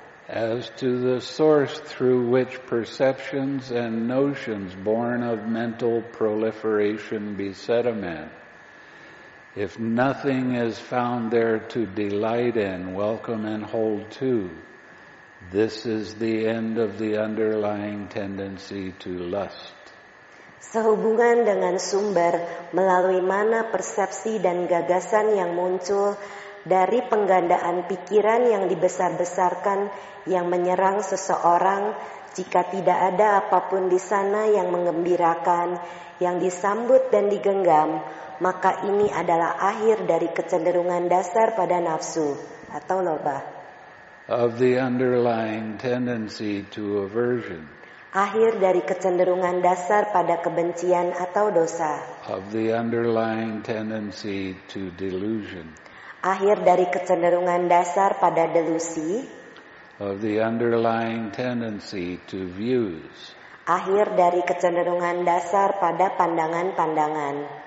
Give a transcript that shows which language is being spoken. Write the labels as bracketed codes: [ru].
[en] As to the source through which perceptions and notions born of mental proliferation beset a man, if nothing is found there to delight in, welcome and hold to, this is the end of the underlying tendency to lust. [id] Sehubungan dengan sumber melalui mana persepsi dan gagasan yang muncul dari penggandaan pikiran yang dibesar-besarkan yang menyerang seseorang, jika tidak ada apapun di sana yang menggembirakan, yang disambut dan digenggam, maka ini adalah akhir dari kecenderungan dasar pada nafsu atau loba. [en] Of the underlying tendency to aversion. [id] Akhir dari kecenderungan dasar pada kebencian atau dosa. [en] Of the underlying tendency to delusion. [id] Akhir dari kecenderungan dasar pada delusi. [en] Of the underlying tendency to views. [id] Akhir dari kecenderungan dasar pada pandangan-pandangan.